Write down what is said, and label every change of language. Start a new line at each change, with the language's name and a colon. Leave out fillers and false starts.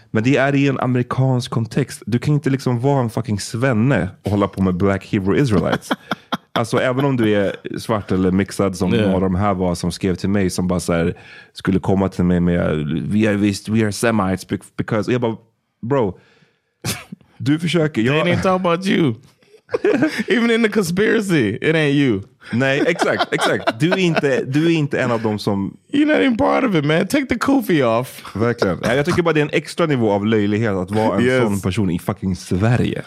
Swedish: Men det är i en amerikansk kontext. Du kan inte liksom vara en fucking svenne och hålla på med Black Hebrew Israelites. Alltså även om du är svart eller mixad som några av de här var som skrev till mig som bara så här, skulle komma till mig med
English: we are semites because,
Swedish: och jag bara, bro, du försöker.
English: They ain't talking about you. Even in the conspiracy, it ain't you.
Swedish: Nej, exakt. Du är inte en av dem som...
English: You're not even part of it, man. Take the kufi off.
Swedish: Verkligen. Ja, jag tycker bara det är en extra nivå av löjlighet att vara en sån person i fucking Sverige.